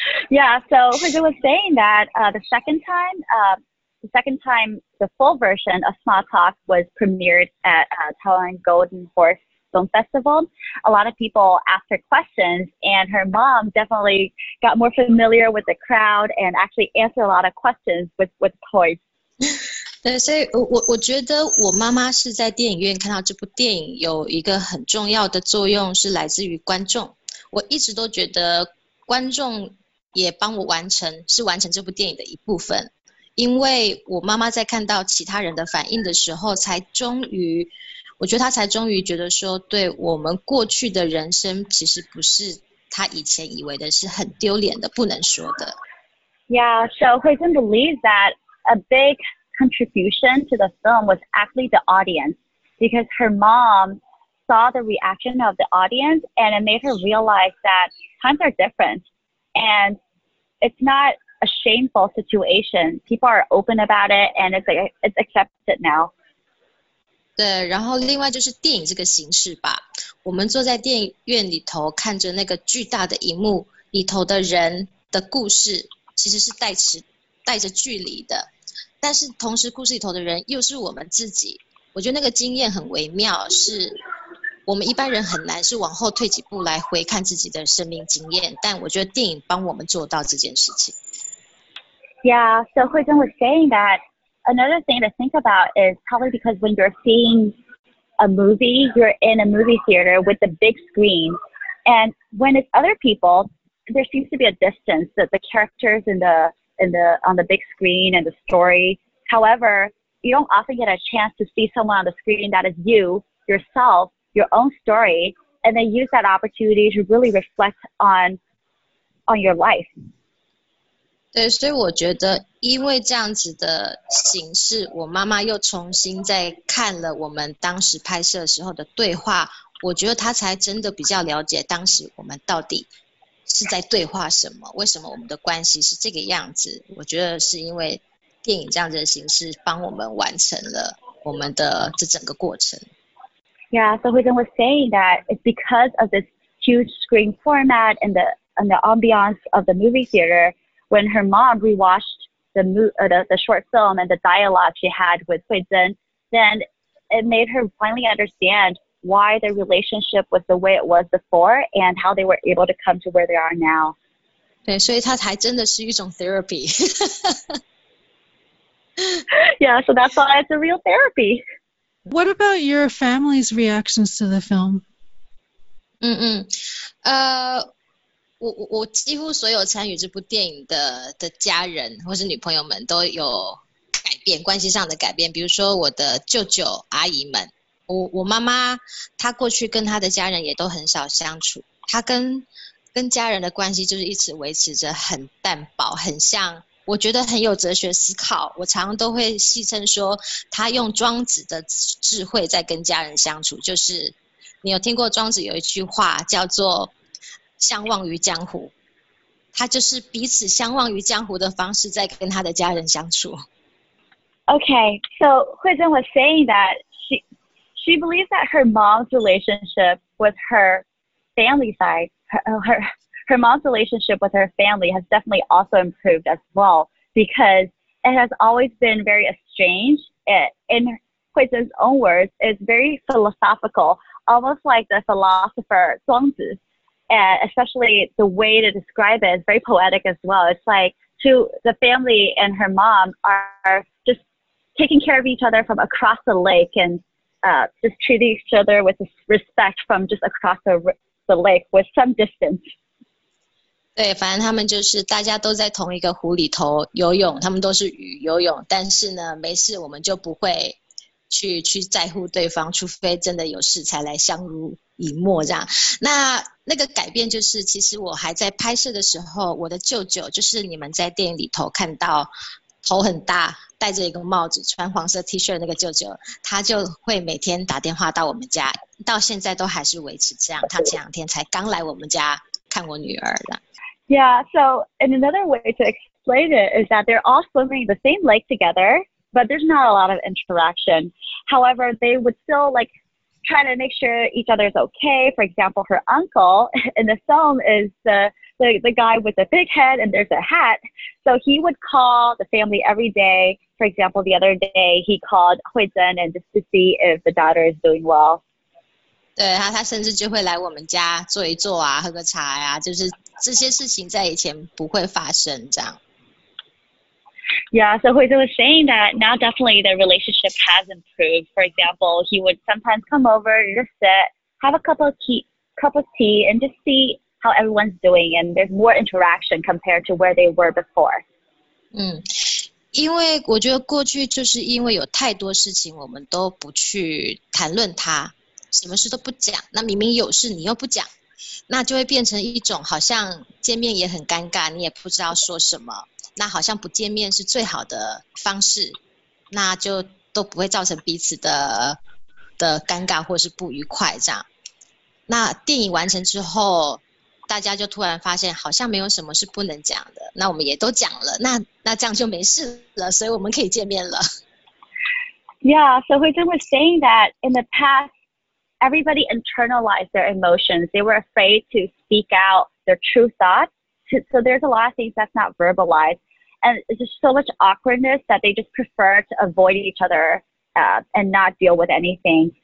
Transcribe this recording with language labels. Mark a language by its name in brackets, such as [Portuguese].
[English] Yeah, so Hui Zhen was saying that the second time the full version of Small Talk was premiered at Taiwan Golden Horse Film Festival, a lot of people asked her questions, and her mom definitely got more familiar with the crowd and actually answered a lot of questions with toys. [Chinese] 对，所以我觉得我妈妈是在电影院看到这部电影有一个很重要的作用是来自于观众。我一直都觉得观众也帮我完成这部电影的一部分。因为我妈妈在看到其他人的反应的时候，我觉得她才终于觉得说，对我们过去的人生其实不是她以前以为的是很丢脸的，不能说的。 [English] Yeah, so Huizhen believes that a big contribution to the film was actually the audience, because her mom saw the reaction of the audience and it made her realize that times are different and it's not a shameful situation. People are open about it and it's accepted now. [Chinese] 对，然后另外就是电影这个形式吧，我们坐在电影院里头看着那个巨大的荧幕里头的人的故事其实是带着距离的，但是同时故事里头的人又是我们自己，我觉得那个经验很微妙，是我们一般人很难是往后退几步来回看自己的生命经验，但我觉得电影帮我们做到这件事情。 [English] Yeah, so Huizhen was saying thatAnother thing to think about is probably because when you're seeing a movie, you're in a movie theater with a big screen. And when it's other people, there seems to be a distance that the characters on the big screen and the story. However, you don't often get a chance to see someone on the screen that is you, yourself, your own story, and then use that opportunity to really reflect on your life. [Chinese] 对，所以我觉得因为这样子的形式，我妈妈又重新再看了我们当时拍摄的时候的对话，我觉得她才真的比较了解当时我们到底是在对话什么，为什么我们的关系是这个样子。我觉得是因为电影这样子的形式帮我们完成了我们的这整个过程。 [English] Yeah, so Huizhen was saying that it's because of this huge screen format and the ambiance of the movie theaterWhen her mom rewatched the short film and the dialogue she had with Huizhen, then it made her finally understand why their relationship was the way it was before and how they were able to come to where they are now. [Chinese] 对，所以它还真的是一种 therapy. [English] Yeah, so that's why it's a real therapy. What about your family's reactions to the film? Mm-mm. [Chinese] 我几乎所有参与这部电影 的家人或是女朋友们都有改变，关系上的改变。比如说我的舅舅阿姨们，我妈妈她过去跟她的家人也都很少相处，她跟家人的关系就是一直维持着很淡薄，很像我觉得很有哲学思考。我常常都会戏称说她用庄子的智慧在跟家人相处，就是你有听过庄子有一句话叫做相忘于江湖，他就是彼此相忘于江湖的方式在跟他的家人相处。 [English] Okay, so Huizhen was saying that she believes that her mom's relationship with her family side, her mom's relationship with her family has definitely also improved as well, because it has always been very estranged. In Huizhen's own words, it's very philosophical, almost like the philosopher Zhuang Zi. And especially the way to describe it is very poetic as well. It's like to the family and her mom are just taking care of each other from across the lake and just treating each other with respect from just across the lake with some distance. [Chinese] 对，反正他们就是大家都在同一个湖里头游泳，他们都是鱼游泳，但是呢，没事我们就不会去在乎对方，除非真的有事才来相濡以沫这样。那个改变就是，其实我还在拍摄的时候，我的舅舅就是你们在电影里头看到头很大、戴着一个帽子、穿黄色 T 恤的那个舅舅，他就会每天打电话到我们家，到现在都还是维持这样。他前两天才刚来我们家看我女儿的。 [English] Yeah, so and another way to explain it is that they're all swimming in the same lake together, but there's not a lot of interaction. However, they would still like. Trying to make sure each other is okay. For example, her uncle in the film is the guy with the big head and there's a hat. So he would call the family every day. For example, the other day he called Huizhen and just to see if the daughter is doing well. [Chinese] 对，他甚至就会来我们家坐一坐啊，喝个茶呀，就是这些事情在以前不会发生这样。 [English] Yeah, so Huizhen was saying that now definitely their relationship has improved. For example, he would sometimes come over and just sit, have a cup of tea, and just see how everyone's doing, and there's more interaction compared to where they were before. [Chinese] 因为我觉得过去就是因为有太多事情我们都不去谈论它，什么事都不讲，那明明有事你又不讲，那就会变成一种好像见面也很尴尬，你也不知道说什么，那好像不见面是最好的方式，那就都不会造成彼此的尴尬或是不愉快这样。那电影完成之后，大家就突然发现好像没有什么是不能讲的，那我们也都讲了，那这样就没事了，所以我们可以见面了。 [English] Yeah, so Huizhen was saying that in the past, everybody internalized their emotions. They were afraid to speak out their true thoughts. So there's a lot of things that's not verbalized. And it's just so much awkwardness that they just prefer to avoid each other and not deal with anything.